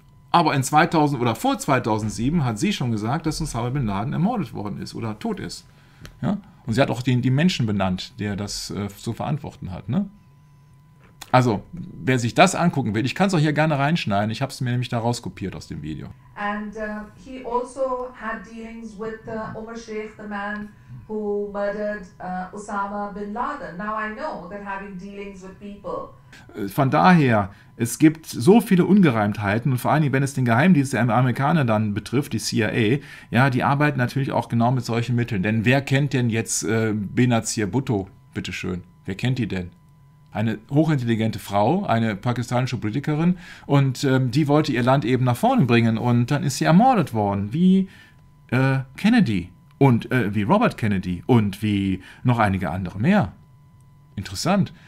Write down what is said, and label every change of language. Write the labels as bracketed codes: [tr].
[de] Aber in 2000 oder vor 2007 hat sie schon gesagt, dass Osama bin Laden ermordet worden ist oder tot ist. Ja? Und sie hat auch die Menschen benannt, der das zu verantworten hat. Ne? Also, wer sich das angucken will, ich kann es auch hier gerne reinschneiden. Ich habe es mir nämlich da rauskopiert aus dem Video. [en] And he also had dealings with Omar Sheikh, the man who murdered Osama bin Laden. Now I know that having dealings with people. [de] Von daher, es gibt so viele Ungereimtheiten und vor allen Dingen, wenn es den Geheimdienst der Amerikaner dann betrifft, die CIA, ja, die arbeiten natürlich auch genau mit solchen Mitteln. Denn wer kennt denn jetzt Benazir Bhutto, bitteschön? Wer kennt die denn? eine hochintelligente Frau, eine pakistanische Politikerin, und die wollte ihr Land eben nach vorne bringen, und dann ist sie ermordet worden, wie Kennedy und wie Robert Kennedy und wie noch einige andere mehr. Interessant.